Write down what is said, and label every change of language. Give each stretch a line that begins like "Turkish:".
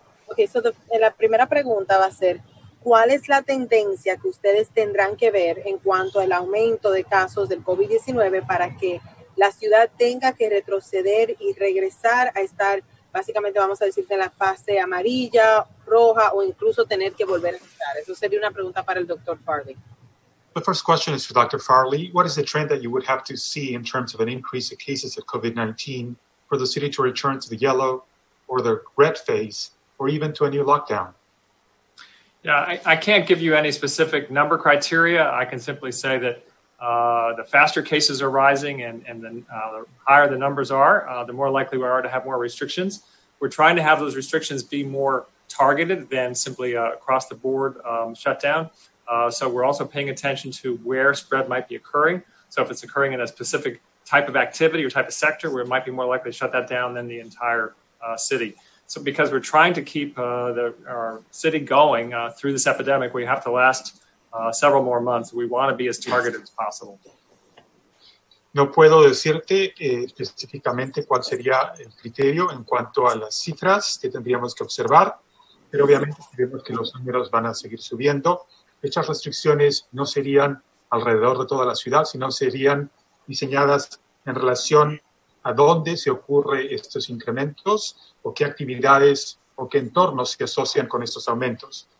English: Okay, so
Spanish: la primera pregunta va a ser, ¿cuál es la tendencia que ustedes tendrán que ver en cuanto al aumento de casos del COVID-19 para que la ciudad tenga que retroceder y regresar a estar, básicamente vamos a decir, en la fase amarilla, roja, o incluso tener que volver a entrar? Eso sería una pregunta para el Dr. Farley.
English: The first question is for Dr. Farley. What is the trend that you would have to see in terms of an increase of cases of COVID-19 for the city to return to the yellow or the red phase, or even to a new lockdown? Yeah, I can't give you any specific number criteria. I can simply say that the faster cases are rising and the higher the numbers are, the more likely we are to have more restrictions. We're trying to have those restrictions be more targeted than simply across the board shutdown. So we're also paying attention to where spread might be occurring. So if it's occurring in a specific type of activity or type of sector, we might be more likely to shut that down than the entire city. So because we're trying to keep our city going through this epidemic, we have to last several more months. We want to be as targeted as possible.
Spanish: No puedo decirte específicamente cuál sería el criterio en cuanto a las cifras que tendríamos que observar, pero obviamente sabemos que los números van a seguir subiendo. Estas restricciones no serían alrededor de toda la ciudad, sino serían diseñadas en relación a dónde se ocurren estos incrementos o qué actividades o qué entornos se asocian con estos aumentos.